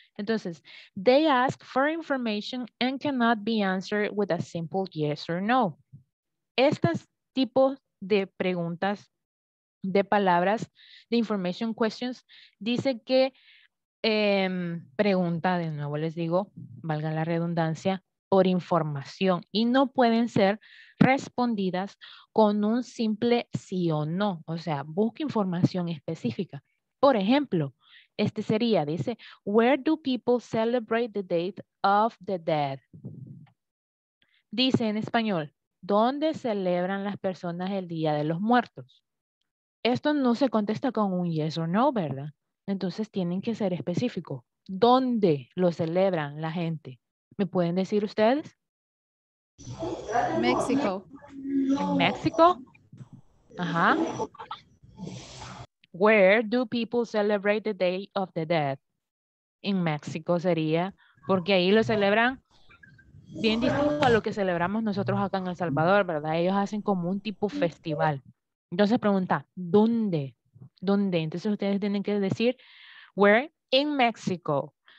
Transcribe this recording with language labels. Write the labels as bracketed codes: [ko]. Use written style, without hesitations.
[es] Entonces, [en] they ask for information and cannot be answered with a simple yes or no. [es] Estos tipos de preguntas, de palabras, de information questions, dice que pregunta, de nuevo les digo, valga la redundancia, por información y no pueden ser respondidas con un simple sí o no. O sea, busca información específica. Por ejemplo, este sería, dice, [en] where do people celebrate the date of the dead? [es] Dice en español, ¿dónde celebran las personas el Día de los Muertos? Esto no se contesta con un [en] yes or no, [es] ¿verdad? Entonces tienen que ser específicos. ¿Dónde lo celebran la gente? ¿Me pueden decir ustedes? México. ¿En México? Ajá. [en] Where do people celebrate the Day of the Dead? [es] En México sería, porque ahí lo celebran bien distinto a lo que celebramos nosotros acá en El Salvador, ¿verdad? Ellos hacen como un tipo festival. Entonces pregunta, ¿dónde? ¿Dónde? Entonces ustedes tienen que decir, [en] where? In Mexico.